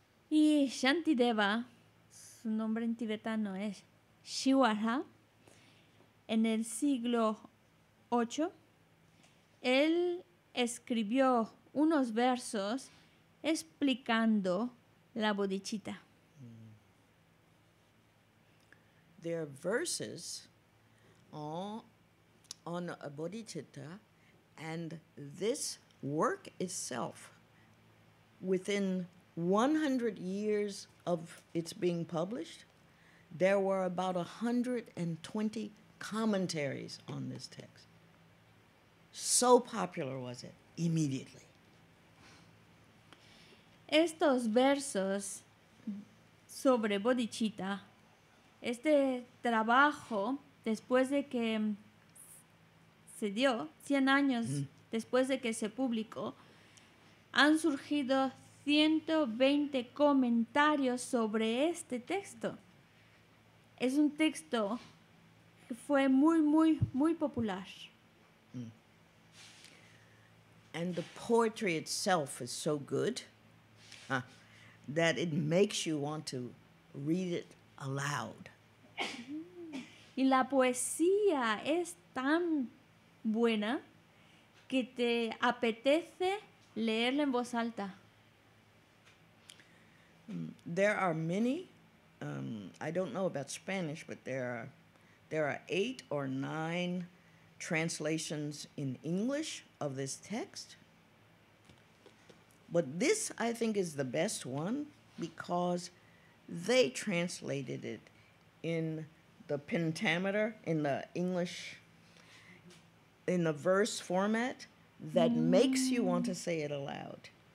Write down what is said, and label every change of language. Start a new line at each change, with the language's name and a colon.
Spanish: Y Shantideva, su nombre en tibetano es Shivara, en el siglo 8, él escribió unos versos explicando la bodhicitta.
English: There are verses on a bodhicitta, and this work itself, within 100 years of its being published, there were about 120 commentaries on this text. So popular was it, immediately.
Spanish: Estos versos sobre bodhicitta, este trabajo, después de que se dio, 100 años después de que se publicó, han surgido 120 comentarios sobre este texto. Es un texto que fue muy, muy, muy popular.
English: And the poetry itself is so good that it makes you want to read it aloud.
Spanish: Y la poesía es tan buena que te apetece leerla en voz alta.
English: There are many I don't know about Spanish, but there are 8 or 9 translations in English of this text. But this, I think, is the best one because they translated it in the pentameter, in the English, in the verse format that makes you want to say it aloud.